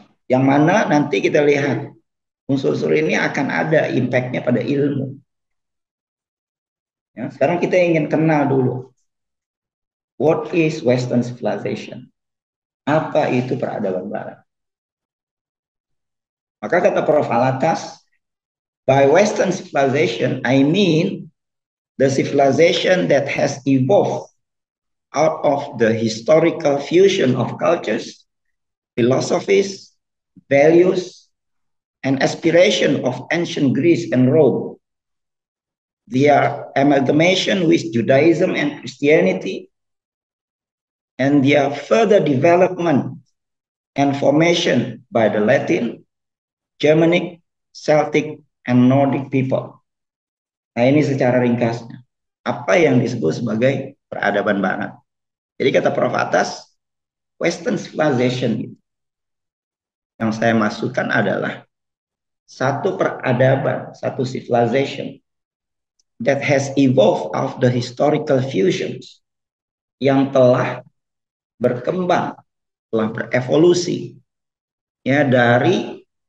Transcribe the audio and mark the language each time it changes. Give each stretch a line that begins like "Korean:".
Indonesian: Yang mana nanti kita lihat unsur-unsur ini akan ada impact-nya pada ilmu. Ya, sekarang kita ingin kenal dulu.
English: What is Western Civilization?
Indonesian: Apa itu peradaban barat? Maka kata Prof.
English: Alatas, by Western Civilization, I mean the civilization that has evolved out of the historical fusion of cultures, philosophies, values, and aspiration of ancient Greece and Rome. their amalgamation with Judaism and Christianity, and their further development and formation by the Latin, Germanic, Celtic, and Nordic people.
Indonesian: Nah, ini secara ringkasnya. Apa yang disebut sebagai peradaban barat. Jadi kata Prof. Atas, Western civilization gitu. Yang saya maksudkan adalah satu peradaban, satu
English: civilization that has evolved of the historical fusions
Indonesian: yang telah berkembang, telah berevolusi ya dari